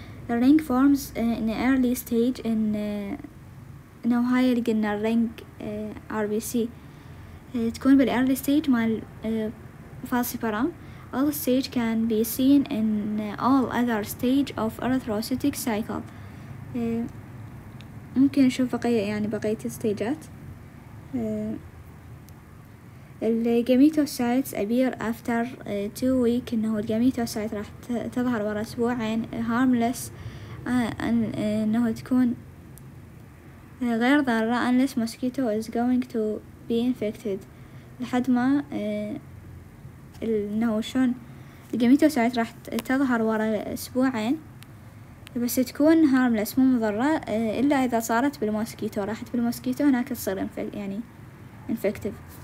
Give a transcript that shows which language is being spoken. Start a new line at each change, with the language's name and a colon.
Arabic: الرينج فورمز ان ايرلي ستيج، ان انه هاي اللي قلنا الرينج ار بي سي تكون بالايرلي ستيج مال فالسيبرام.
English: All stage can be seen in all other stage of erythrocytic cycle.
Arabic: ممكن نشوف بقية يعني بقية الستيجات. الجاميتوسايتس
English: appear after 2 weeks،
Arabic: إنه الجاميتوسايت راح تظهر ورا أسبوعين.
English: harmless
Arabic: إنه تكون غير ضارة
English: unless mosquito is going to be infected.
Arabic: لحد ما انه شلون الجاميتوسايت راح تظهر ورا اسبوعين، بس تكون هارملس مو مضرة الا اذا صارت بالموسكيتو، راحت بالموسكيتو هناك تصير يعني انفكتيف.